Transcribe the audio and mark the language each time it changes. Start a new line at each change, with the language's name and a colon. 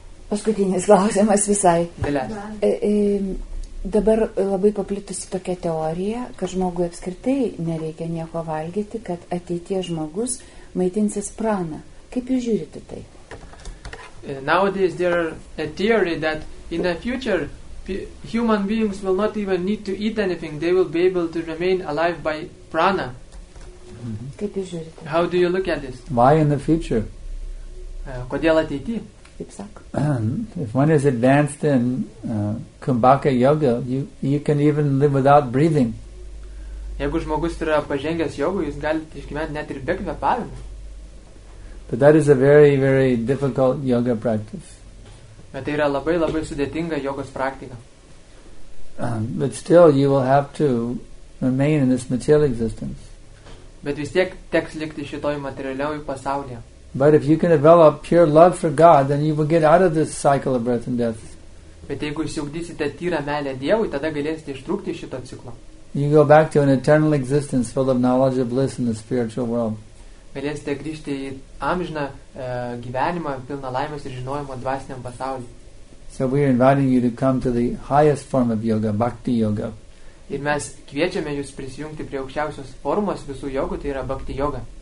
Lithuanian: Paskutinis klausimas visai. Galės. Dabar labai paplitusi tokia teorija, kad žmogui apskritai nereikia nieko valgyti, kad ateitie žmogus maitinsis praną. Kaip jūs žiūrite tai?
English: Nowadays there are a theory that in the future human beings will not even need to eat anything. They will be able to remain alive by prana. Mm-hmm.
Lithuanian: Kaip jūs žiūrite?
English: How do you look at this? Why in the future?
Lithuanian: Kodėl ateitie?
English: If one is advanced in Kumbhaka yoga, you can even live without breathing.
Lithuanian: Jeigu žmogus yra pažengęs jogui, jis gali išgyventi net ir be kvėpavimo.
English: But that is a very, very difficult yoga practice.
Lithuanian: Bet tai yra labai, labai sudėtinga jogos praktika.
English: But still, you will have to remain in this material existence.
Lithuanian: Bet vis tiek teks likti šitoj materialioj pasaulyje.
English: But if you can develop pure love for God, then you will get out of this cycle of birth and death.
Lithuanian: Bet jeigu išsiugdysite tyrą meilę Dievui, tada galėsite ištrūkti iš šito ciklo.
English: You go back to an eternal existence full of knowledge of bliss in the spiritual world.
Lithuanian: Galėsite grįžti į amžiną gyvenimą, pilną laimės ir žinojimo dvasiniam pasaulyje.
English: So we are inviting you to come to the highest form of yoga, bhakti yoga.
Lithuanian: Ir mes kviečiame jūs prisijungti prie aukščiausios formos visų jogų, tai yra bhakti yoga.